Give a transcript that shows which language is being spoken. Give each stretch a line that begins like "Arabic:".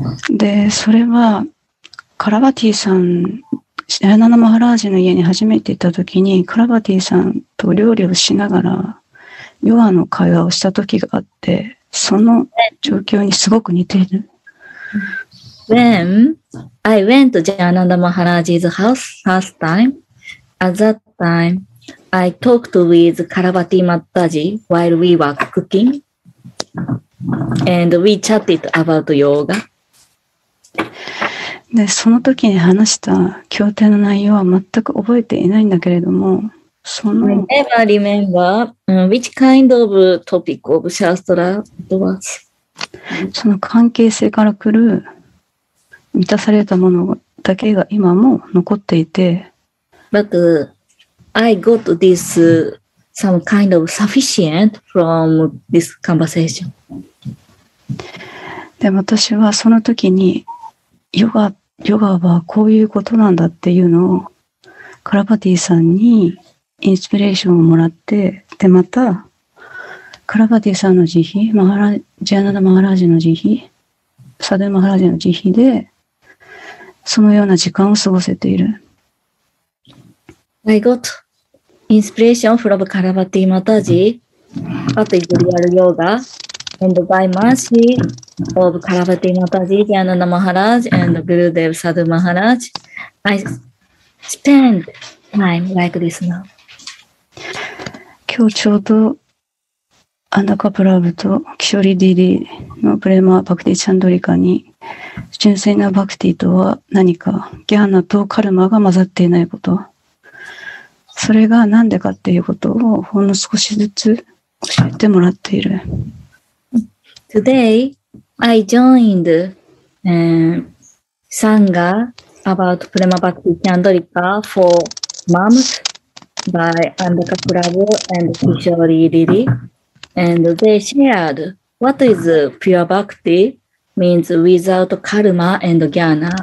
Japanese: で、それはカラバティさん、シャーナナマハラージの家に初めて行った時に、カラバティさんと料理をしながらヨガの会話をした時があって、その状況にすごく似ている。
English: When I went to シャーナナマハラージ's house first time, at that time I talked with カラバティマッタジ while we were cookingAnd we chatted about yoga.
Japanese: で、その時に話した経典の内容は全く覚えていないんだけれども、その。
English: I never remember which kind of topic of Shastra was.
Japanese: その関係性から来る満たされたものだけが今も残っていて。
English: But I got this some kind of sufficient from this conversation.
Japanese: で、私はその時にヨガはこういうことなんだっていうのをカラバティさんにインスピレーションをもらって、で、またカラバティさんの慈悲、マハラジアナダマハラジの慈悲、サデマハラジの慈悲でそのような時間を過ごせている。
English: I got inspiration from カラバティマタジ at Imperial YogaAnd by mercy of Karavati Mataji, Dhyananda Maharaj, and Gurudev Sadhu Maharaj, I spend time like this now.
Japanese: 今日ちょうどアンダカプラブとキショリディリのプレマバクティチャンドリカに、純粋なバクティとは何か、ギャーナとカルマが混ざっていないこと、それが何でかっていうことをほんの少しずつ教えてもらっている。
English: Today, I joined Sangha about Prema Bhakti Chandrika for months by Andhaka Prabhu and Kishori Riri. And they shared what is pure bhakti, means without karma and jnana.